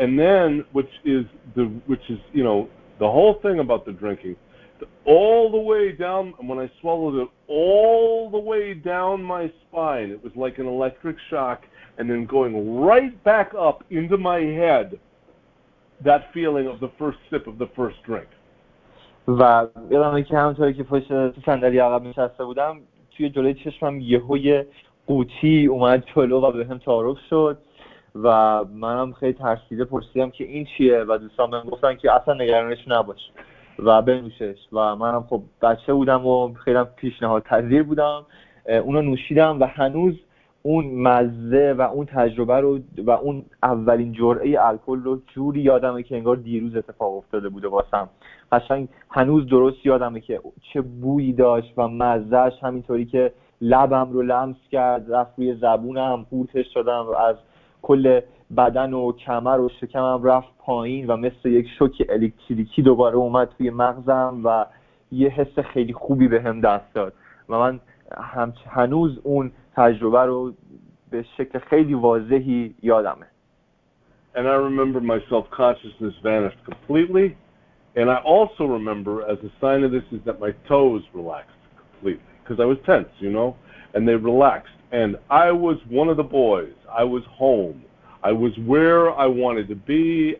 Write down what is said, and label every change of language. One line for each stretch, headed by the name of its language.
English: And then, which is you know, the whole thing about the drinking, all the way down, when I swallowed it, all the way down my spine, it was like an electric shock, and then going right back up into my head, that feeling of the first sip of the first drink.
Persian: و یادمه که همونطوری که پشت صندلی عقب نشسته بودم توی جلوی چشمم یهو یه قوطی اومد جلو و به هم تعارف شد و منم خیلی ترسیده پرسیدم که این چیه و دوستان بهم گفتن که اصلا نگرانش نباش و بنوشش و منم خب بچه بودم و خیلی پیشنهاد پذیر بودم اونو نوشیدم و هنوز اون مزه و اون تجربه رو و اون اولین جرعه الکل رو جوری یادمه که انگار دیروز اتفاق افتاده بوده واسم. قشنگ هنوز درست یادمه که چه بویی داشت و مزهش همینطوری که لبم رو لمس کرد رفت روی زبونم پورتش دادم و از کل بدن و کمر و شکمم رفت پایین و مثل یک شوک الکتریکی دوباره اومد توی مغزم و یه حس خیلی خوبی به هم دست داد و من هنوز اون تجربه رو به شکل خیلی واضحی یادمه.
English: And I remember my self-consciousness vanished completely, and I also remember as a sign of this is that my toes relaxed completely because I was tense, you know, and they relaxed and I was one of the boys. I was home. I was where I wanted to be.